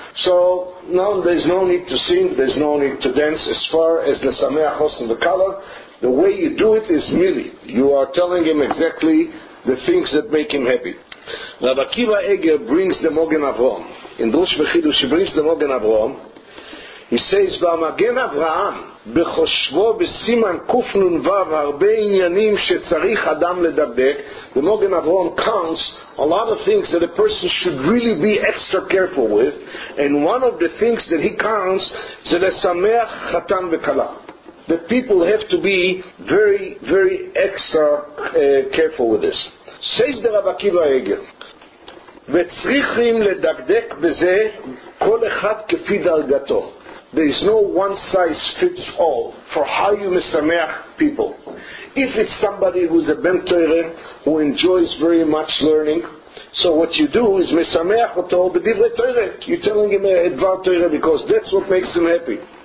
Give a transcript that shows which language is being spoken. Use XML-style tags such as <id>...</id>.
<en>So now there is no need to sing, there is no need to dance as far as lesameach chosin v'kala. The way you do it is mili. You are telling him exactly the things that make him happy. Rav Akiva Eger brings the Mogen Avraham in Drush v'Chidush. He brings the Mogen Avraham. He says, "V'amagen Avraham."</en> <he>בחושבו בסימן קופנון וב הרבה עניינים שצריך אדם לדבק.</he> <en>The Mogen Avraham counts a lot of things that a person should really be extra careful with, and one of the things that he counts is</en> <he>לשמח חתן וקלה.</he> <en>The people have to be very, very extra careful with this. Says the Rav Akiva Eger,</en> <he>וצריכים לדקדק בזה כל אחד כפי דרגתו.</he> <en>There is no one size fits all for how you mesameach people. If it's somebody who's a ben Torah, who enjoys very much learning, So what you do is mesameach oto b'divrei Torah. You're telling him a dvar Torah because that's what makes him happy.</en>